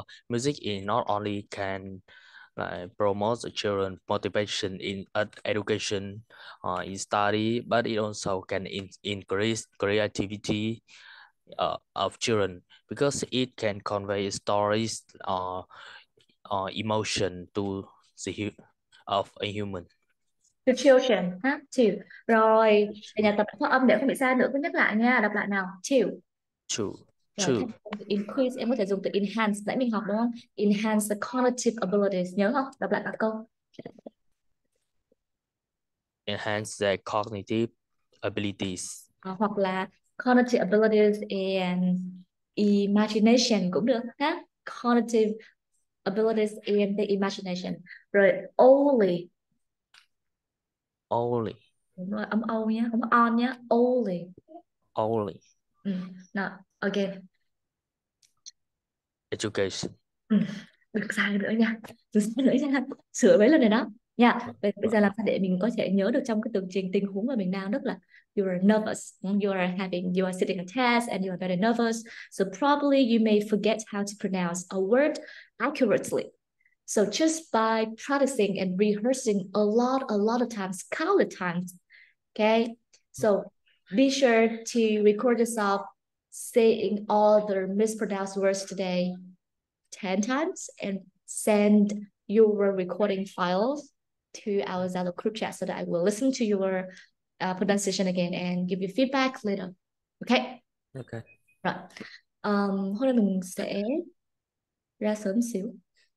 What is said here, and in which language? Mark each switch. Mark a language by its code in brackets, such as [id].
[en] Music is not only can promotes children motivation in education, in study, but it also can increase creativity of children because it can convey stories or emotion to the of a human. The children, ha, two. [vi] Rồi, để nhà tập phát âm để không bị sai nữa, cứ nhắc lại nha, đọc lại nào, two. [en] True. [vi] Increase, em có thể dùng từ enhance, nãy mình học đúng không? [en] Enhance the cognitive abilities, [vi] nhớ không? Đọc lại cả câu. [en] Enhance the cognitive abilities. [vi] Hoặc là [en] cognitive abilities and imagination [vi] cũng được. [en] Ha? Cognitive abilities and the imagination. [vi] Rồi, only. [en] Only. [vi] Đúng rồi, âm O nhé, âm on nhé. [en] Only. Only. Nào, again. Education. [vi] Được sai nữa nha. Sửa mấy lần rồi đó. Nha. Yeah. Bây giờ làm sao để mình có thể nhớ được trong cái tường trình tình huống mà mình đang rất là [en] you are nervous, you are sitting a test and you are very nervous. So probably you may forget how to pronounce a word accurately. So just by practicing and rehearsing a lot of times, countless times. Okay? So be sure to record yourself saying all the mispronounced words today 10 times and send your recording files to our Zalo group chat so that I will listen to your pronunciation again and give you feedback later. Okay? Okay. [vi] Right. Hôm nay mình sẽ ra sớm xíu.